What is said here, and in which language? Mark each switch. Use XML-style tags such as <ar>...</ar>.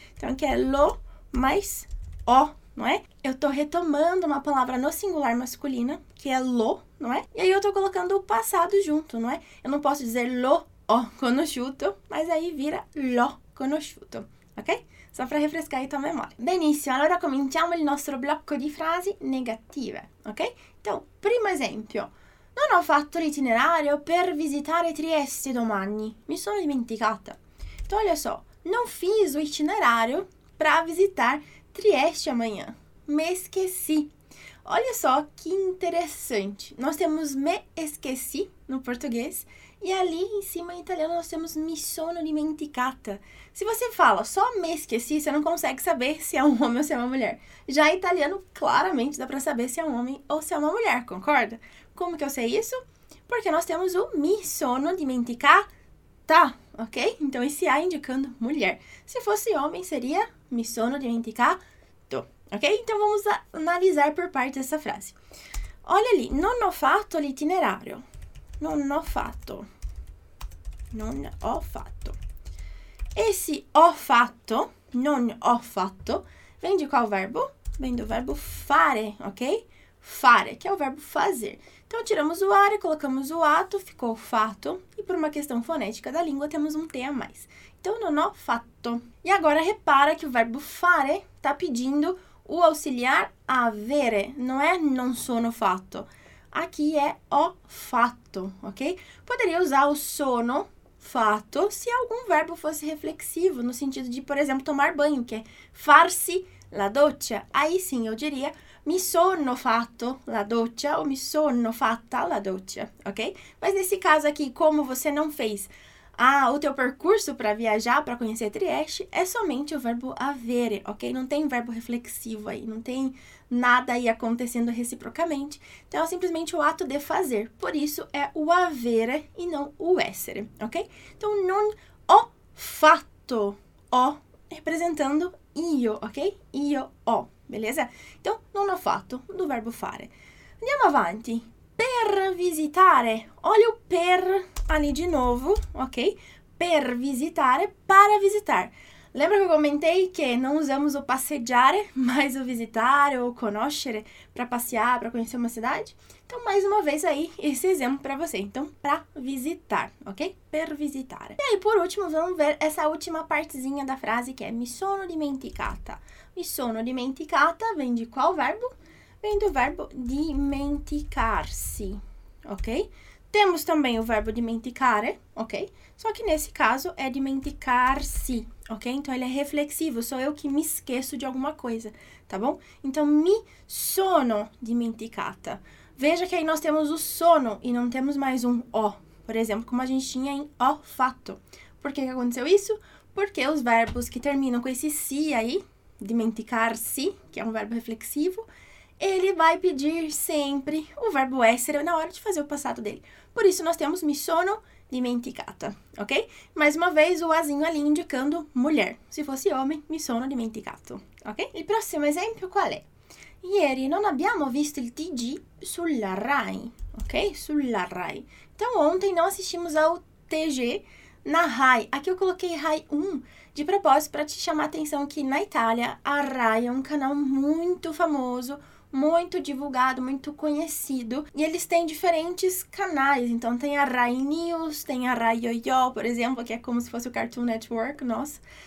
<pt>Então, aqui é l'ho mais o, não é? Eu estou retomando uma palavra no singular masculina, que é l'ho, não é? E aí eu estou colocando o passado junto, não é? Eu não posso dizer</pt> <it>l'ho conosciuto,</it> <pt>mas aí vira l'ho conosciuto, ok? Só para refrescar aí tua memória.</pt> <it>Benissimo, allora cominciamo il nostro blocco di frasi negative, ok?</it> <pt>Então,</pt> <it>primo esempio. Non ho fatto l'itinerario per visitare Trieste domani. Mi sono dimenticata.</it> <pt>Então, olha só. Non fiz o itinerário para visitar Trieste amanhã. Me esqueci. Olha só que interessante. Nós temos me esqueci no português. E ali em cima, em italiano, nós temos</pt> <it>mi sono dimenticata.</it> <pt>Se você fala só me esqueci, você não consegue saber se é um homem ou se é uma mulher. Já em italiano, claramente, dá para saber se é um homem ou se é uma mulher, concorda? Como que eu sei isso? Porque nós temos o</pt> <it>mi sono dimenticata,</it> <pt>ok? Então, esse A indicando mulher. Se fosse homem, seria</pt> <it>mi sono dimenticato,</it> <pt>ok? Então, vamos analisar por parte dessa frase. Olha ali,</pt> <it>non ho fatto l'itinerario. Non ho fatto. Non ho fatto. Esse ho fatto, non ho fatto,</it> <pt>vem de qual verbo? Vem do verbo fare, ok? Fare, que é o verbo fazer. Então, tiramos o ar e colocamos o ato, ficou fato. E por uma questão fonética da língua, temos um T a mais. Então,</pt> <it>non ho fatto.</it> <pt>E agora, repara que o verbo fare está pedindo o auxiliar avere. Não é</pt> <it>non sono fatto.</it> <pt>Aqui é</pt> <it>ho fatto,</it> <pt>ok? Poderia usar o sono fatto se algum verbo fosse reflexivo, no sentido de, por exemplo, tomar banho, que é</pt> <it>farsi la doccia.</it> <pt>Aí sim, eu diria</pt> <it>mi sono fatto la doccia</it> <pt>ou</pt> <it>mi sono fatta la doccia,</it> <pt>ok? Mas nesse caso aqui, como você não fez o teu percurso para viajar, para conhecer Trieste, é somente o verbo avere, ok? Não tem verbo reflexivo aí, não tem nada aí acontecendo reciprocamente. Então, é simplesmente o ato de fazer. Por isso, é o avere e não o essere, ok? Então, non ho fatto. O representando io, ok? Io, ho. Beleza? Então,</pt> <it>non ho fatto,</it> <pt>do verbo fare.</pt> <it>Andiamo avanti. Per visitare.</it> <pt>Olha o per ali de novo, ok? Per visitare, para visitar. Lembra que eu comentei que não usamos o passeggiare, mas o visitare ou conoscere para passear, para conhecer uma cidade? Então, mais uma vez aí, esse exemplo para você. Então, para visitar, ok? Per visitare. E aí, por último, vamos ver essa última partezinha da frase que é</pt> <it>mi sono dimenticata. Mi sono dimenticata</it> <pt>vem de qual verbo? Vem do verbo dimenticarsi, ok? Temos também o verbo dimenticare, ok? Só que nesse caso é dimenticar-se, ok? Então, ele é reflexivo, sou eu que me esqueço de alguma coisa, tá bom? Então,</pt> <it>mi sono dimenticata.</it> <pt>Veja que aí nós temos o sono e não temos mais um ho, por exemplo, como a gente tinha em ho fato. Por que aconteceu isso? Porque os verbos que terminam com esse si aí, dimenticar-se, que é um verbo reflexivo, Ele vai pedir sempre o verbo essere na hora de fazer o passado dele. Por isso, nós temos</pt> <it>mi sono dimenticata,</it> <pt>ok? Mais uma vez, o azinho ali indicando mulher. Se fosse homem,</pt> <it>mi sono dimenticato,</it> <pt>ok?</pt> <it>Il prossimo esempio qual è? Ieri non abbiamo visto il TG sulla RAI, ok? Sulla RAI.</it> <pt>Então, ontem não assistimos ao TG na RAI. Aqui eu coloquei RAI 1 de propósito para te chamar a atenção que na Itália a RAI é um canal muito famoso, muito divulgado, muito conhecido. E eles têm diferentes canais. Então, tem a RAI News, tem a RAI Yoyo, por exemplo, que é como se fosse o Cartoon Network, nossa.</pt>